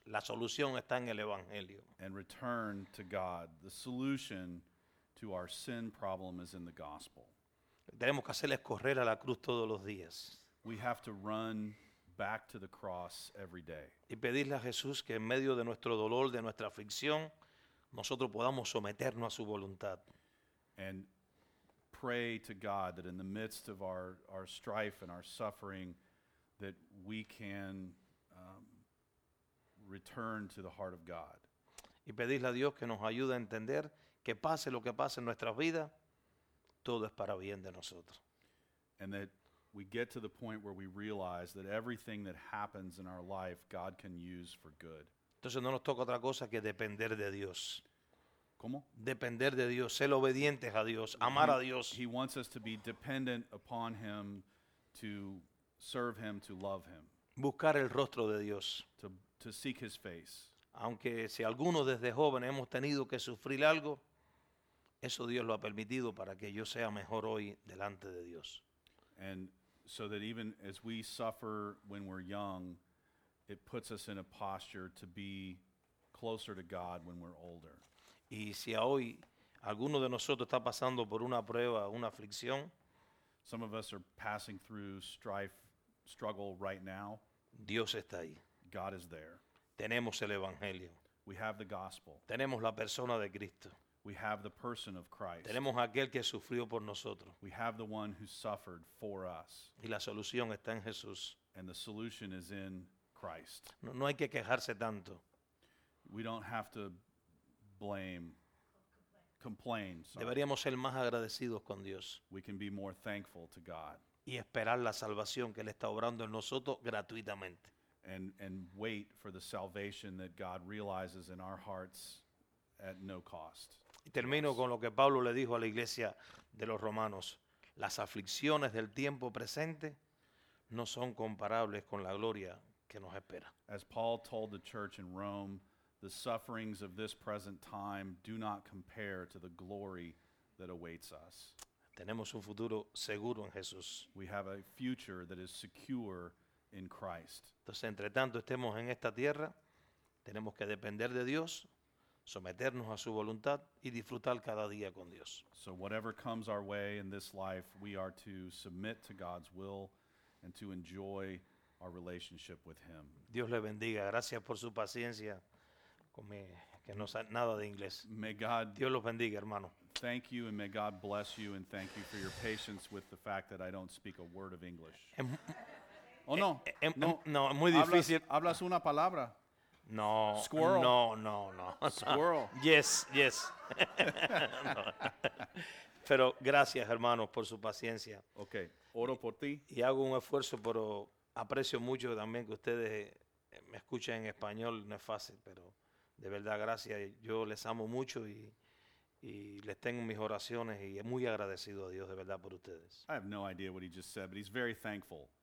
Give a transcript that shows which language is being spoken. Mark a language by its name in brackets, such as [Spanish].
[Spanish] La solución está en el Evangelio. [English] And return to God. The solution to our sin problem is in the gospel. [Spanish] Tenemos que hacerles correr a la cruz todos los días. [English] We have to run back to the cross every day. [Spanish] Y pedirle a Jesús que en medio de nuestro dolor, de nuestra aflicción, nosotros podamos someternos a su voluntad. [English] And pray to God that in the midst of our strife and our suffering, that we can return to the heart of God. [Spanish] Y pedirle a Dios que nos ayude a entender que pase lo que pase en nuestras vidas, todo es para bien de nosotros. [English] And that we get to the point where we realize that everything that happens in our life, God can use for good. [Spanish] Entonces no nos toca otra cosa que depender de Dios. ¿Cómo? Depender de Dios, ser obedientes a Dios, amar a Dios. [English] He wants us to be dependent upon Him, to serve Him, to love Him. [Spanish] Buscar el rostro de Dios. [English] To seek His face. [Spanish] Aunque si algunos desde jóvenes hemos tenido que sufrir algo, eso Dios lo ha permitido para que yo sea mejor hoy delante de Dios. [English] And so that even as we suffer when we're young, it puts us in a posture to be closer to God when we're older. [Spanish] Y si a hoy alguno de nosotros está pasando por una prueba, una aflicción, [English] some of us are passing through strife, struggle right now. [Spanish] Dios está ahí. [English] God is there. [Spanish] Tenemos el evangelio. [English] We have the gospel. [Spanish] Tenemos la persona de Cristo. [English] We have the person of Christ. [Spanish] Tenemos aquel que sufrió por nosotros. [English] We have the one who suffered for us. [Spanish] Y la solución está en Jesús. [English] And the solution is in Christ. [Spanish] No, no hay que quejarse tanto. [English] We don't have to blame, complain. Sorry. [Spanish] Deberíamos ser más agradecidos con Dios. [English] We can be more thankful to God. [Spanish] Y esperar la salvación que Él está obrando en nosotros gratuitamente. [English] And wait for the salvation that God realizes in our hearts at no cost. [Spanish] Y termino con lo que Pablo le dijo a la iglesia de los romanos. Las aflicciones del tiempo presente no son comparables con la gloria que nos espera. [English] As Paul told the church in Rome, the sufferings of this present time do not compare to the glory that awaits us. [Spanish] Tenemos un futuro seguro en Jesús. [English] We have a future that is secure in Christ. [Spanish] Entonces, entre tanto estemos en esta tierra, tenemos que depender de Dios, someternos a su voluntad y disfrutar cada día con Dios. [English] So whatever comes our way in this life, we are to submit to God's will and to enjoy our relationship with Him. [Spanish] Dios le bendiga. Gracias por su paciencia. Que no sabe nada de inglés. [English] May God, [Spanish] Dios los bendiga, hermano. [English] Thank you and may God bless you and thank you for your patience with the fact that I don't speak a word of English. [Spanish] No, es muy difícil. ¿Hablas una palabra? No. [English] Squirrel. No. Squirrel. Yes. [Spanish] No. Pero gracias, hermanos, por su paciencia. Okay. Oro por ti. Y hago un esfuerzo, pero aprecio mucho también que ustedes me escuchen en español. No es fácil, pero de verdad, gracias. Yo les amo mucho y les tengo mis oraciones y muy agradecido a Dios de verdad por ustedes. [English] I have no idea what he just said, but he's very thankful.